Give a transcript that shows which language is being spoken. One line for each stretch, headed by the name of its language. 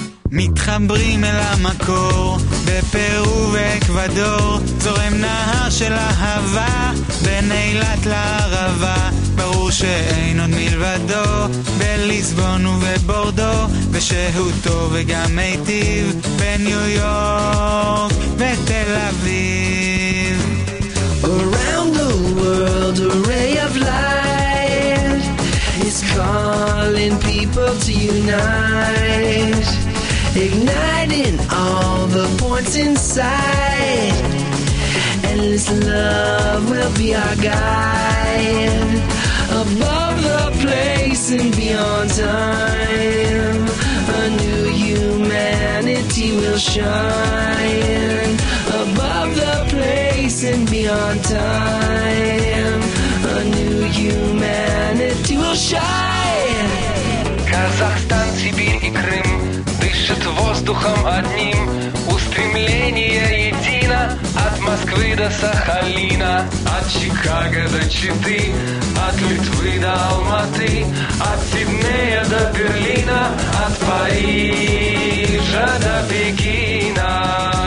Hebrew: מתחברים אל המקור בפרו ואקוודור, זורם נהר של אהבה בין אילת לערבה, ברור שאין עוד מלבדו בליסבון ובבורדו, ושהוא טוב וגם מיטיב בניו יורק ותל אביב.
English: Around the world, a ray of light is calling people to unite, igniting all the points inside. Endless love will be our guide, above the place and beyond time. A new humanity will shine, above the place and beyond time. A new humanity will shine.
Russian: Kazakhstan, Sibir i Krym дышат воздухом одним, устремление едино от Москвы до Сахалина, от Чикаго до Читы, от Литвы до Алматы, от Сиднея до Берлина, от Парижа до Пекина.